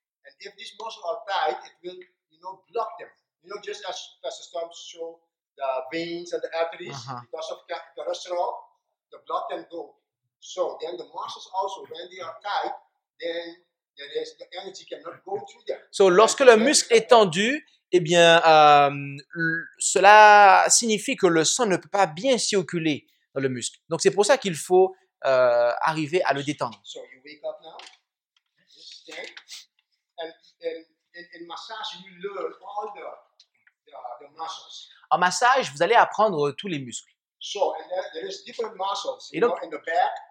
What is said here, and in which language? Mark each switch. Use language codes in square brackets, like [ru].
[en] And if these muscles are tight, it will, you know, block them. You know, just as Pastor Storm show the veins and the arteries, because of cholesterol, the blood can go. So then the muscles also, when they are tight, then there is the energy cannot go through them. [fr] So lorsque le muscle est tendu, eh bien, cela signifie que le sang ne peut pas bien circuler dans le muscle. Donc c'est pour ça qu'il faut arriver à le détendre. [en] So you wake up now. Just stay. In massage, you learn all the muscles. [fr] En massage, vous allez apprendre tous les muscles. [en] So, and there is different muscles, you donc, know, in the back.